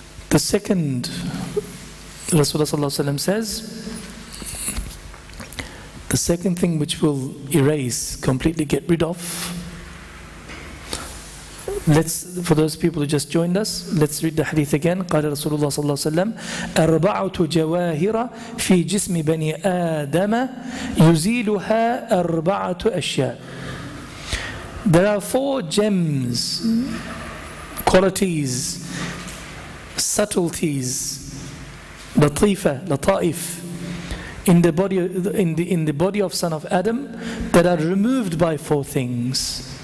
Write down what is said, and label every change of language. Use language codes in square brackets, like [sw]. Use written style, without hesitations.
[en] The second, Rasulullah ﷺ says, the second thing which will erase, completely get rid of, let's, for those people who just joined us, let's read the hadith again. [ar] قال رسول الله صلى الله عليه وسلم أربعة جواهر في جسم بني آدم يزيلها أربعة أشياء. [en] There are four gems, qualities, subtleties, لطيفة, لطائف, in the body of son of Adam that are removed by four things.